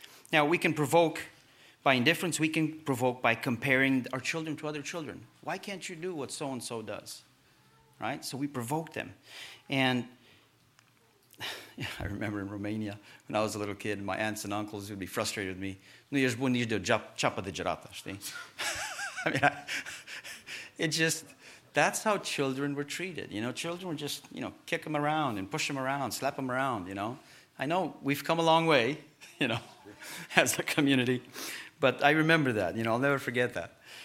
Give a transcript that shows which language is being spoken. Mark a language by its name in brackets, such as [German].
[English] Now, we can provoke by indifference. We can provoke by comparing our children to other children. Why can't you do what so-and-so does, right? So we provoke them, and I remember in Romania when I was a little kid, my aunts and uncles would be frustrated with me. [Romanian] Nu ești bun nici de ceapă de gerată, știi? [English] I mean, that's how children were treated. You know, children were just, you know, kick them around and push them around, slap them around, you know. I know we've come a long way, you know, as a community, but I remember that, you know, I'll never forget that.